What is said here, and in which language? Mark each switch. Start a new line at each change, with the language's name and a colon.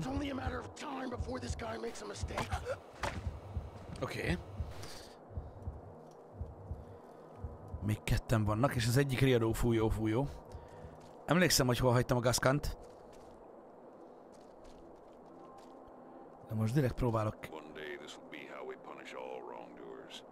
English: It's only a matter of time before this guy makes a mistake. Okay.
Hungarian: Még ketten vannak, és az egyik riadó fújó. Emlékszem, hogy hol hagytam a gaskant. De most direkt próbálok.
English: One day this will be how we punish all wrongdoers.